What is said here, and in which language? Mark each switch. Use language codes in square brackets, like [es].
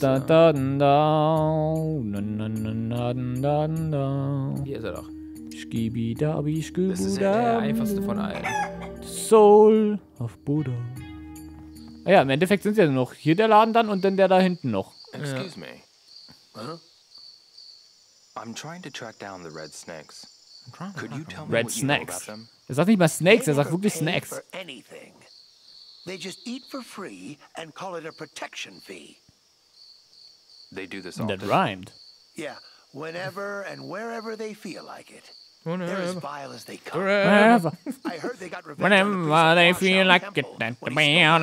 [de] da, da, da, da. Hier ist er doch. Schgibidabi, Schgibudam. Das ist ja der einfachste von allen. [en] Soul of Buddha. [de] Ah ja, im Endeffekt sind es ja noch hier der Laden dann und dann der da hinten noch. [en] Excuse me. Huh? I'm trying to track down the red snakes. Could you tell me Red Snacks. [de] Er sagt nicht mal Snakes, er sagt wirklich Snacks. [en] They just eat for free and call it a protection fee. They do this all the time. That rhymed. Yeah, whenever and wherever they feel like it. They're as vile as they come. I heard they got revenge. Whenever they feel like it, then the man